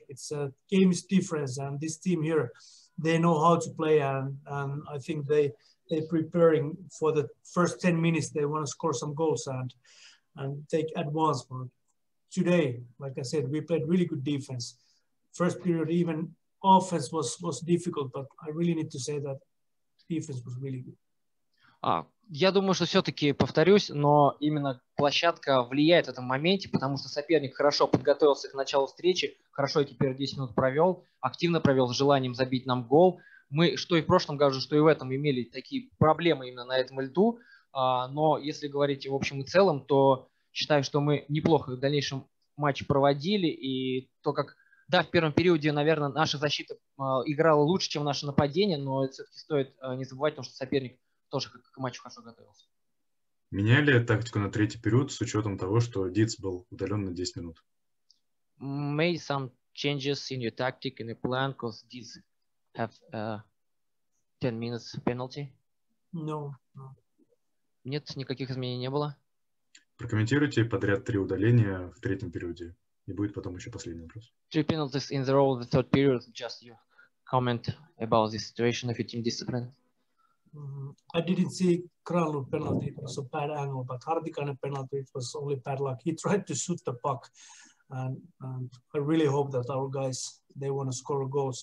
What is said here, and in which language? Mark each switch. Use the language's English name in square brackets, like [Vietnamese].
[English] It's a game is different, and this team here. They know how to play, and I think they're preparing for the first 10 minutes. They want to score some goals and take advance. But today, like I said, we played really good defense. First period, even offense was difficult, but I really need to say that defense was really good. [Russian] Я думаю, что все-таки повторюсь, но именно площадка влияет в этом моменте, потому что соперник хорошо подготовился к началу встречи, хорошо эти первые 10 минут провел, активно провел с желанием забить нам гол. Мы, что и в прошлом году, что и в этом, имели такие проблемы именно на этом льду, но если говорить в общем и целом, то считаю, что мы неплохо в дальнейшем матч проводили, и то как, да, в первом периоде, наверное, наша защита играла лучше, чем наше нападение, но это все-таки стоит не забывать, потому что соперник тоже к матчу хорошо готовился. Меняли тактику на третий период с учетом того, что Диц был удален на 10 минут? [English] Made some changes in your tactic in the plan because Diz have 10 minutes penalty? No. [Russian] Нет, никаких изменений не было. Прокомментируйте подряд три удаления в третьем периоде. И будет потом еще последний вопрос. [English] Three penalties in the role of the third period. Just your comment about the situation of your team discipline. I didn't see Kralu penalty. It was a bad angle, but Hartikainen penalty. It was only bad luck. He tried to shoot the puck, and I really hope that our guys they want to score goals.